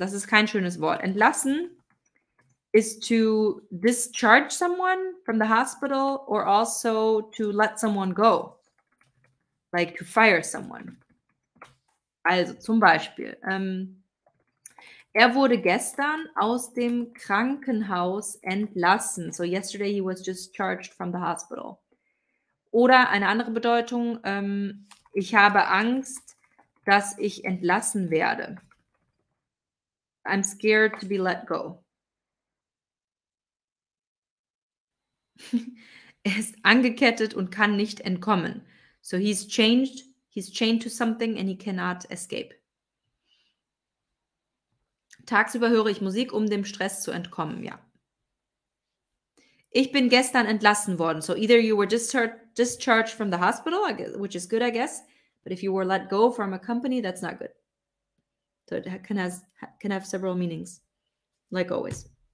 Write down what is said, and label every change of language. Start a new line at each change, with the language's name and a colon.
German: Das ist kein schönes Wort.
English: Entlassen is to discharge someone from the hospital or also to let someone go. Like to fire someone.
German: Also zum Beispiel, er wurde gestern aus dem Krankenhaus entlassen.
English: So yesterday he was discharged from the hospital.
German: Oder eine andere Bedeutung, ich habe Angst, dass ich entlassen werde.
English: I'm scared to be let go.
German: Er ist angekettet und kann nicht entkommen.
English: So he's chained to something and he cannot escape.
German: Tagsüber höre ich Musik, um dem Stress zu entkommen, ja. Ich bin gestern entlassen worden.
English: So either you were discharged from the hospital, which is good, I guess. But if you were let go from a company, that's not good. So it can have several meanings, like always.